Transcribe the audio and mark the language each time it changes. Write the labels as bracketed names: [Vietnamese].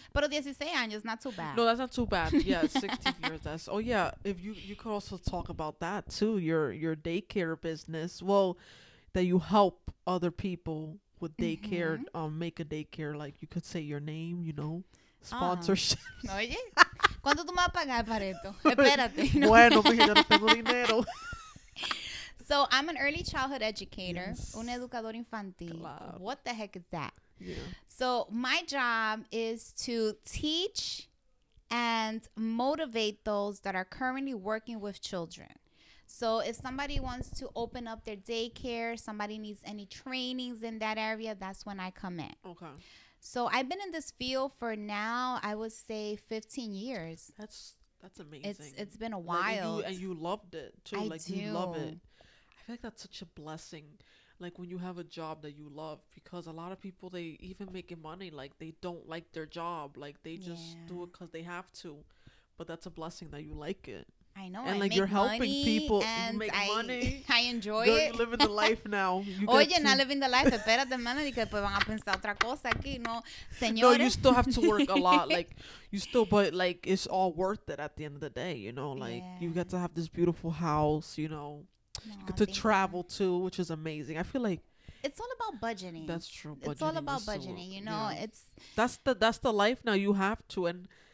[Spanish] Pero 16 años, [English] not too bad. No, that's not too bad. Yeah, 16 years. That's. Oh, yeah. If you could also talk about that, too, your daycare business. Well, that you help other people with daycare, make a daycare, like you could say your name, you know. Sponsorship. [Spanish] Oye, ¿cuánto tú me vas a pagar para esto? Espérate. ¿No? Bueno, porque yo no tengo dinero. [English] So, I'm an early childhood educator. Yes. [Spanish] Un educador infantil. [English] Club. What the heck is that? Yeah. So, my job is to teach and motivate those that are currently working with children. So, if somebody wants to open up their daycare, somebody needs any trainings in that area, that's when I come in. Okay. So I've been in this field for now, I would say, 15 years. That's amazing. It's been a while. Like, and you loved it, too. You love it. I feel like that's such a blessing, like, when you have a job that you love. Because a lot of people, they even making money, like, they don't like their job. Like, they just do it because they have to. But that's a blessing that you like it. I know. And, like, you're helping people make money. I enjoy it. You're living the life now. [Spanish] Oye, [English] not living the life. [Spanish] Espérate, Melanie, que después van a pensar otra cosa aquí, ¿no? Señores. [English] No, you still have to work a lot. Like, you still, but, like, it's all worth it at the end of the day, you know? Like, you get to have this beautiful house, you know? No, you get to travel, too, which is amazing. I feel like... It's all about budgeting. That's true. Budgeting, it's all about budgeting, you know? Yeah. It's That's the life now. You have to, and...